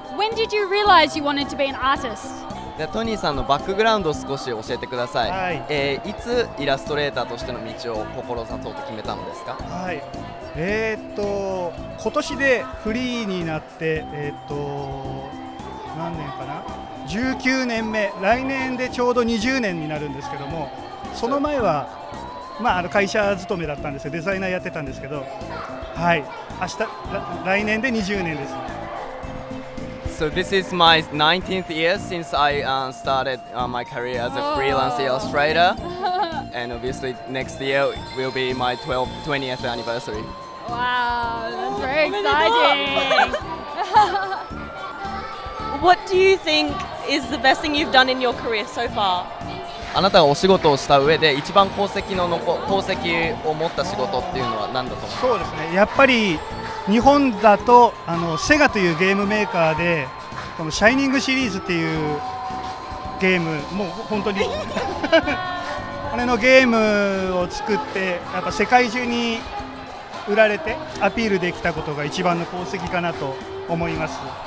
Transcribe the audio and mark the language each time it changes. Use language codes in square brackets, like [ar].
[en] When did you realize you wanted to be an artist? [ja] じゃあトニーさんのバックグラウンドを少し教えてください、はい。いつイラストレーターとしての道を志そうと決めたのですか？はい、今年でフリーになって、何年かな、19年目、来年でちょうど20年になるんですけども、その前は、まあ、あの会社勤めだったんですよ。デザイナーやってたんですけど、はい、明日、来年で20年です。 [en] So this is my 19th year since I started my career as a freelance illustrator. And obviously next year will be my 20th anniversary. Wow, that's very exciting! What do you think is the best thing you've done in your career so far? [ja] あなたがお仕事をした上で一番功績を持った仕事っていうのは何だと思いますか？そうですね、やっぱり日本だとあのセガというゲームメーカーで、このシャイニングシリーズっていうゲーム、もう本当にあれのゲームを作って、やっぱ世界中に売られてアピールできたことが一番の功績かなと思います。